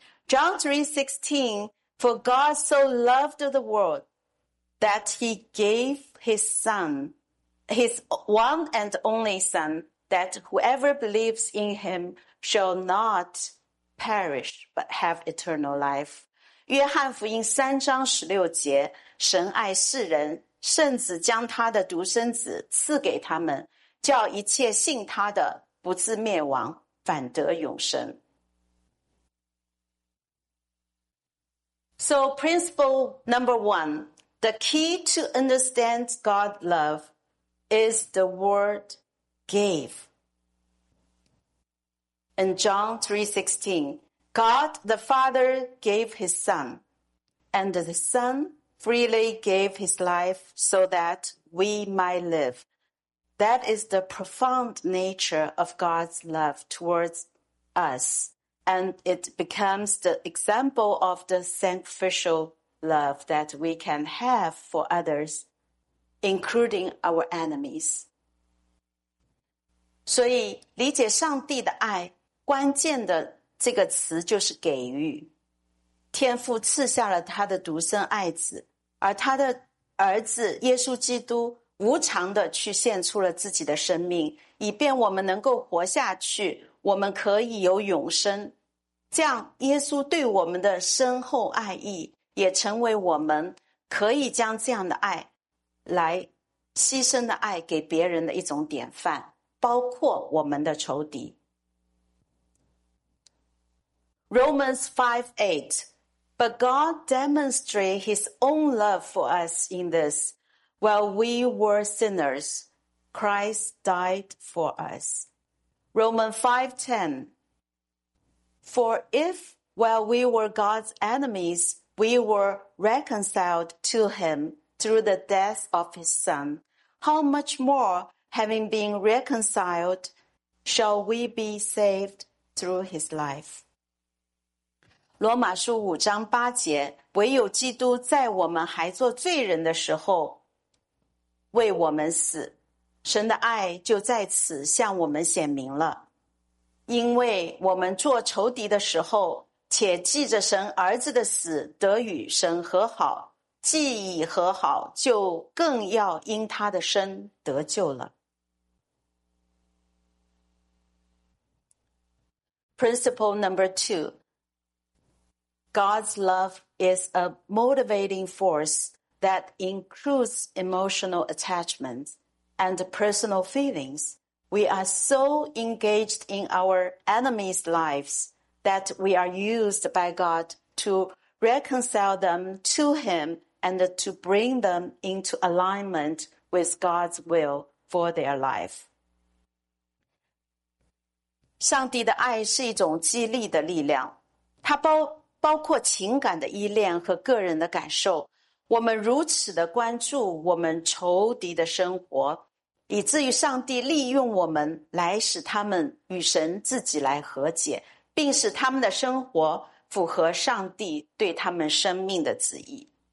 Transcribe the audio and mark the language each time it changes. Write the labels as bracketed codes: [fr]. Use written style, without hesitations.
[en] John 3:16, for God so loved the world that he gave his son, his one and only son, that whoever believes in him shall not perish, but have eternal life. [zh] 约翰福音三章十六节，神爱世人，甚至将他的独生子赐给他们，叫一切信他的不至灭亡，反得永生。 [en] So principle number one, the key to understand God's love is the word gave. In John 3:16, God the Father gave his son, and the son freely gave his life so that we might live. That is the profound nature of God's love towards us, and it becomes the example of the sacrificial love that we can have for others, including our enemies. [zh] 所以理解上帝的爱，关键的这个词就是给予。天父赐下了他的独生爱子，而他的儿子耶稣基督无偿的去献出了自己的生命，以便我们能够活下去，我们可以有永生。这样耶稣对我们的深厚爱意，也成为我们可以将这样的爱来牺牲的爱给别人的一种典范，包括我们的仇敌。 [en] Romans 5:8, But God demonstrated his own love for us in this, while we were sinners, Christ died for us. Romans 5:10, For if while we were God's enemies, we were reconciled to him through the death of his son, how much more, having been reconciled, shall we be saved through his life? [zh] 罗马书五章八节，唯有基督在我们还做罪人的时候为我们死，神的爱就在此向我们显明了。因为我们做仇敌的时候，且记着神儿子的死得与神和好，既已和好，就更要因他的身得救了。 [en] Principle number two, God's love is a motivating force that includes emotional attachments and personal feelings We are so engaged in our enemies' lives that we are used by God to reconcile them to Him and to bring them into alignment with God's will for their life. [zh] 上帝的爱是一种激励的力量，它包括情感的依恋和个人的感受。我们如此的关注我们仇敌的生活，以至于上帝利用我们来使他们与神自己来和解，并使他们的生活符合上帝对他们生命的旨意。